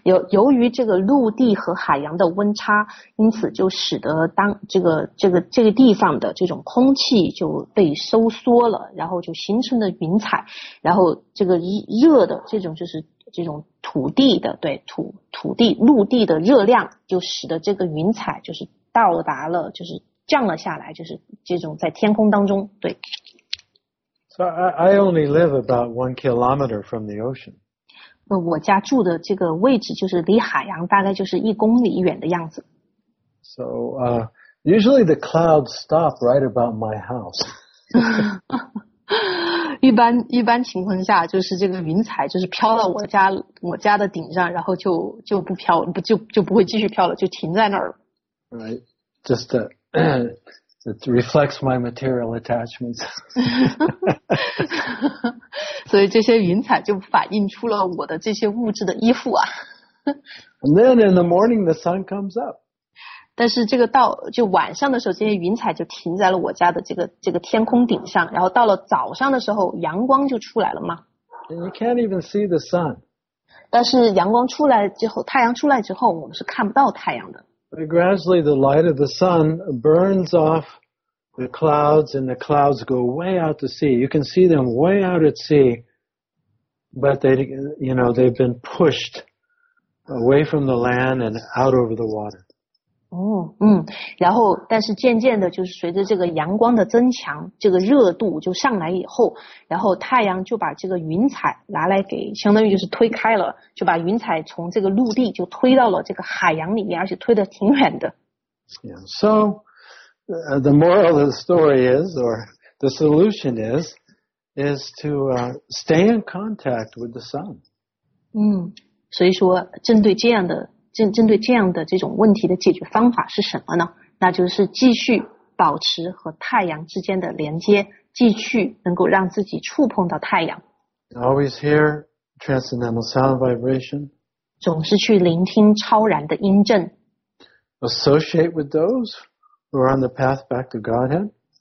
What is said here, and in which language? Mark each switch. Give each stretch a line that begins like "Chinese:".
Chinese: 由于这个陆地和海洋的温差，因此就使得当这个地方的这种空气就被收缩了，然后就形成了云彩，然后这个热的这种就是这种土地的对土地陆地的热量就使得这个云彩就是到达了就是降了下来，就是这种在天空当中对。
English: So I only live about 1 kilometer from the ocean.
Chinese: 我家住的这个位置就是离海洋大概就是1公里远的样子。
English: So, usually the clouds stop right about my house.
Chinese: 一般情况下就是这个云彩就是飘到我家的顶上，然后就不飘，就不会继续飘了，就停在那儿了。
English: Right. Just a, it reflects my material attachments.
Chinese: 所以这些云彩就反映出了我的这些物质的依附啊。
English: And then in the morning the sun comes up.
Chinese: 但是这个到就晚上的时候，这些云彩就停在了我家的这个天空顶上，然后到了早上的时候，阳光就出来了嘛。
English: And you can't even see the sun.
Chinese: 但是阳光出来之后，太阳出来之后，我们是看不到太阳的。
English: But gradually the light of the sun burns off. The clouds and the clouds go way out to sea. You can see them way out at sea, but they, you know, they've been pushed away from the land and out over the water.
Chinese: 然后但是渐渐的就是随着这个阳光的增强，这个热度就上来以后，然后太阳就把这个云彩拿来给相当于就是推开了，就把云彩从这个陆地就推到了这个海洋里面，而且推得挺远的。
English: Yeah, so,the moral of the story is, or the solution is to stay in contact with the sun.
Chinese: 所以说针对这样的这种问题的解决方法是什么呢？那就是继续保持和太阳之间的连接，继续能够让自己触碰到太阳。
English: Always hear transcendental sound vibration.
Chinese: 总是去聆听超然的音证。
English: Associate with those who are on the path back to Godhead.